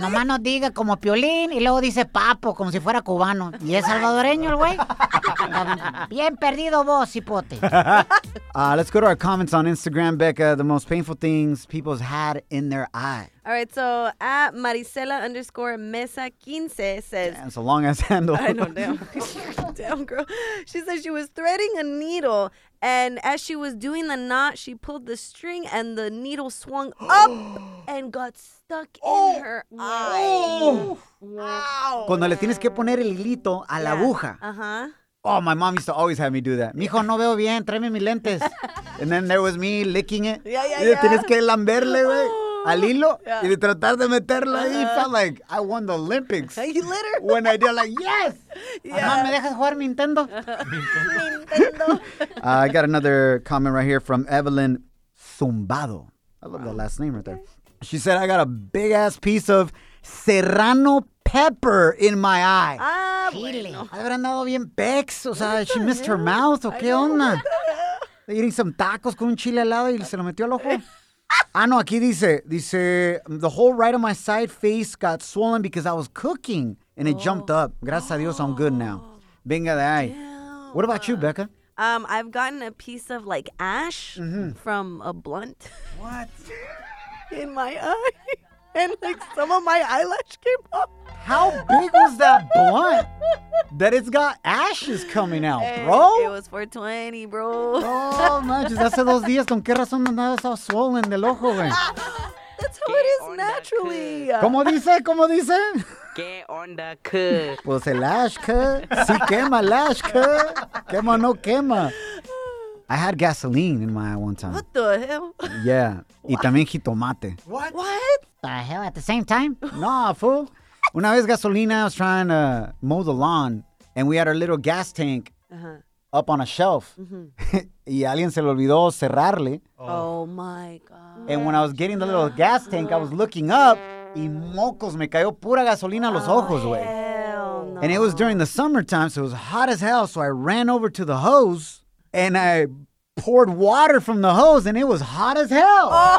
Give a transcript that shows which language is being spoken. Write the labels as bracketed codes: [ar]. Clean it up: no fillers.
[es] Nomás nos diga como Piolín y luego dice papo, como si fuera cubano. Y es salvadoreño el güey. Bien perdido vos, cipote. [en] Let's go to our comments on Instagram, Becca. The most painful things people's had in their eye. All right, so at Maricela underscore Mesa 15 says... Damn, it's a long-ass handle. I know, damn. Damn, girl. She says she was threading a needle, and as she was doing the knot, she pulled the string, and the needle swung up and got stuck in her eye. Wow. [es] Cuando le tienes que poner el hilito a la aguja. Uh-huh. [en] Oh, my mom used to always have me do that. [es] Mijo, no veo bien. Tráeme mis lentes. [en] And then there was me licking it. Yeah. [es] Tienes que lamberle, güey. Al hilo. Yeah. Y de tratar de meterla ahí. [en] It felt like I won the Olympics. You litter. When I did, like, yes. Yeah. Mom, [es] ¿me dejas jugar Nintendo? [en] Nintendo. I got another comment right here from Evelyn Zumbado. I love that last name right there. She said, I got a big-ass piece of serrano pepper in my eye. [es] Chile. Habrá andado bien pex. O sea, [en] she missed her mouth. [es] ¿O qué onda? [en] Eating some tacos [es] con un chile al lado y se lo metió al ojo. Ah, no, aquí dice. [en] Dice, the whole right of my side face got swollen because I was cooking and it jumped up. [es] Gracias a Dios, [en] I'm good now. [es] Venga de ahí. [en] What about you, Becca? I've gotten a piece of, like, ash from a blunt. What? In my eye. And, like, some of my eyelash came off. How big was that blunt that it's got ashes coming out, bro? It was 420, bro. [es] Oh, manches. Hace dos días, ¿con qué razón andabas [en] all swollen [es] del ojo, güey? [en] That's how it is naturally. [es] ¿Cómo dice? ¿Cómo dice? ¿Qué onda, cuh? Pues el ash, cuh. Sí quema el ash, cuh. Quema, no quema. [en] I had gasoline in my eye one time. What the hell? [es] Yeah. Y también jitomate. [en] What? What? The hell at the same time? No, fool. [es] Una vez gasolina, [en] I was trying to mow the lawn, and we had our little gas tank up on a shelf. [es] Mm-hmm. Y alguien se le olvidó cerrarle. [en] Oh, my God. And when I was getting the little gas tank, I was looking up, [es] y mocos, me cayó pura gasolina a los ojos, güey. [en] Hell no. And it was during the summertime, so it was hot as hell, so I ran over to the hose, and I poured water from the hose, and it was hot as hell.